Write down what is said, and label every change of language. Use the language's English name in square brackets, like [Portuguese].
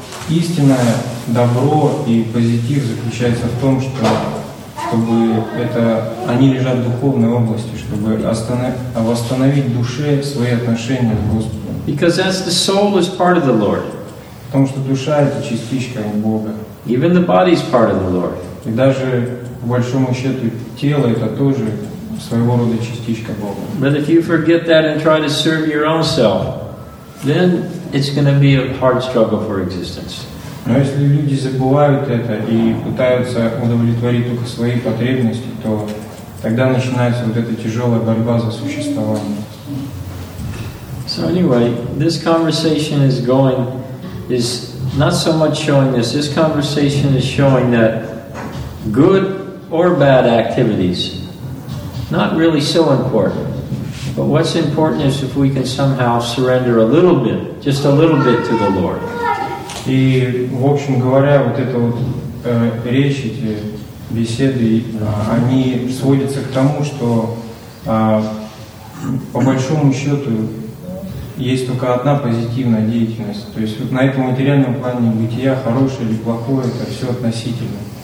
[Russian] Истинное добро и позитив заключается в том, что чтобы это они лежат в духовной области, чтобы восстановить в душе свои отношения к Господу. [English] Because that's the soul is part of the Lord. [Russian] Потому что душа это частичка Бога. [English] Even the body is part of the Lord. [Russian] И даже по большому счету тело это тоже своего рода частичка Бога. [English] But if you forget that and try to serve your own self, then it's going to be a hard struggle for existence. [Russian] Но если люди забывают это и пытаются удовлетворить только свои потребности, то тогда начинается вот эта тяжелая борьба за существование. [English] So anyway, this conversation is going is not so much showing this. This conversation is showing that good or bad activities not really so important. But what's important is if we can somehow surrender a little bit, just a little bit to the Lord. [Russian] И, в общем говоря, вот эта вот речь, эти беседы, они сводятся к тому, что по большому счету есть только одна позитивная деятельность. То есть вот на этом материальном плане бытия, хорошее или плохое, это все относительно.